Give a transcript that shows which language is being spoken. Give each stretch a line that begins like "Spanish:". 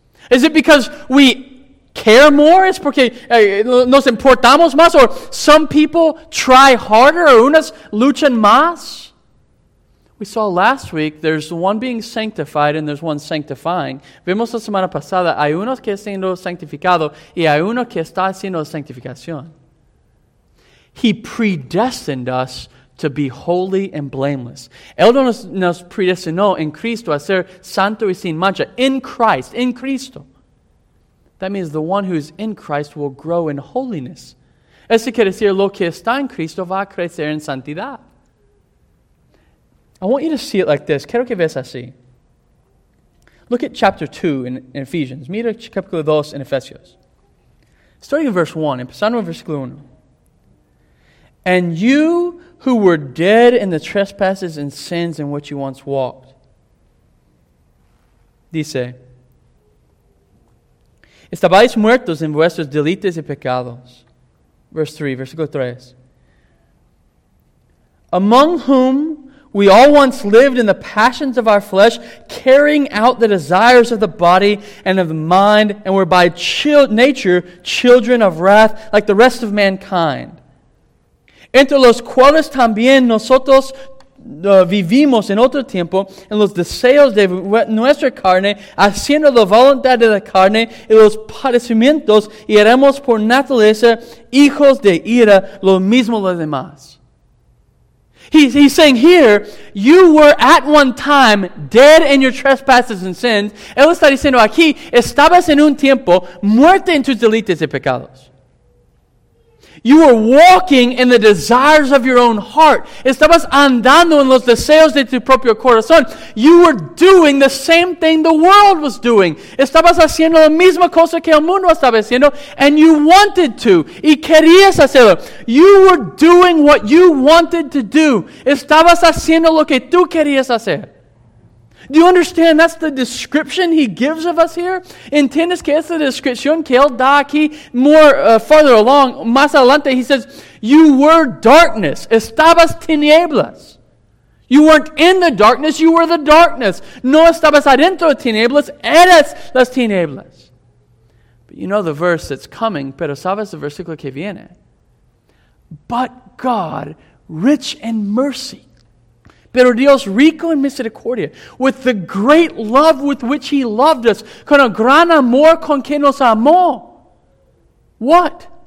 English: Is it because we care more?
Spanish: ¿Es porque nos importamos más?
English: ¿Or some people try harder? ¿Or
Spanish: unas luchan más?
English: We saw last week, there's one being sanctified and there's one sanctifying.
Spanish: Vimos la semana pasada, hay uno que está siendo sanctificado y hay uno que está haciendo la sanctificación.
English: He predestined us to be holy and blameless.
Spanish: Él nos predestinó en Cristo a ser santo y sin mancha.
English: In Christ, in Cristo. That means the one who is in Christ will grow in holiness.
Spanish: Eso quiere decir, lo que está en Cristo va a crecer en santidad.
English: I want you to see it like this.
Spanish: Quiero que veas así.
English: Look at chapter 2 in Ephesians.
Spanish: Mira capítulo 2 in Ephesians.
English: Starting in verse 1,
Spanish: empezando en versículo 1.
English: And you who were dead in the trespasses and sins in which you once walked.
Spanish: Dice, estabais muertos en vuestros delitos y pecados.
English: Verse 3, versículo 3. Among whom we all once lived in the passions of our flesh, carrying out the desires of the body and of the mind, and were by nature children of wrath, like the rest of mankind.
Spanish: Entre los cuales también nosotros vivimos en otro tiempo en los deseos de nuestra carne, haciendo la voluntad de la carne y los padecimientos, y éramos por naturaleza hijos de ira, lo mismo los demás.
English: He's saying here, you were at one time dead in your trespasses and sins.
Spanish: Él está diciendo aquí, estabas en un tiempo muerto en tus delitos y pecados.
English: You were walking in the desires of your own heart.
Spanish: Estabas andando en los deseos de tu propio corazón.
English: You were doing the same thing the world was doing.
Spanish: Estabas haciendo la misma cosa que el mundo estaba haciendo.
English: And you wanted to.
Spanish: Y querías hacerlo.
English: You were doing what you wanted to do.
Spanish: Estabas haciendo lo que tú querías hacer.
English: Do you understand that's the description he gives of us here?
Spanish: ¿Entiendes que es la descripción que él da aquí?
English: More farther along,
Spanish: más adelante,
English: he says, you were darkness,
Spanish: estabas tinieblas.
English: You weren't in the darkness, you were the darkness.
Spanish: No estabas adentro de tinieblas, eras las tinieblas.
English: But you know the verse that's coming,
Spanish: pero sabes el versículo que viene.
English: But God, rich in mercy,
Spanish: pero Dios rico en misericordia,
English: with the great love with which he loved us,
Spanish: con el gran amor con que nos amó.
English: What?